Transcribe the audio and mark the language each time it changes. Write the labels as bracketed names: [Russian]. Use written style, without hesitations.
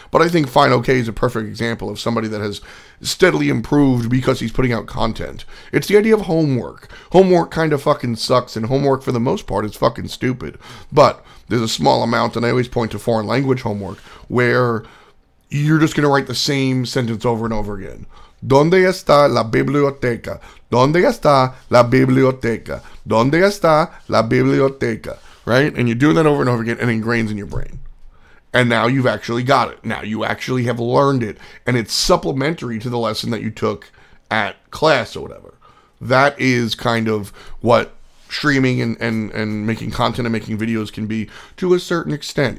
[English] But I think Fine OK is a perfect example of somebody that has steadily improved because he's putting out content. It's the idea of homework. Homework kind of fucking sucks, and homework for the most part is fucking stupid. But there's a small amount, and I always point to foreign language homework, where you're just going to write the same sentence over and over again. [Spanish] ¿Dónde está la biblioteca? ¿Dónde está la biblioteca? ¿Dónde está la biblioteca? [English] Right? And you're doing that over and over again, and it ingrains in your brain. And now you've actually got it. Now you actually have learned it, and it's supplementary to the lesson that you took at class or whatever. That is kind of what streaming and making content and making videos can be to a certain extent.